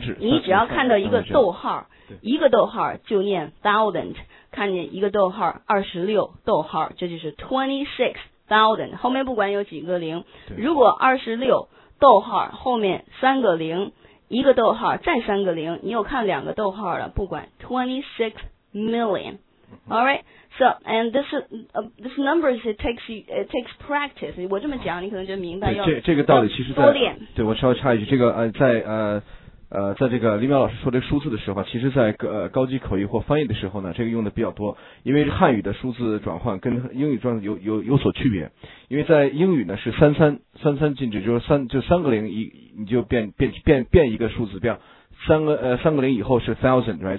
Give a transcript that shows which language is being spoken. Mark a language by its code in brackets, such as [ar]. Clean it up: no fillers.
[zh] 指，你只要看到一个逗号，一个逗号就念 thousand， 看见一个逗号26逗号，这就是 26,000, 后面不管有几个零，如果26逗号后面三个零，一个逗号再三个零，你又看两个逗号了，不管 26 million. [en] All right, so and this number is it takes practice. [zh] 我这么讲，你可能就明白。这个道理其实在对我稍微插一句，这个在在这个李淼老师说这数字的时候，其实在高级口语或翻译的时候呢，这个用的比较多，因为汉语的数字转换跟英语转换有所区别。因为在英语呢是三三进制，就是三个零你就变一个数字，变三个零以后是 thousand, right?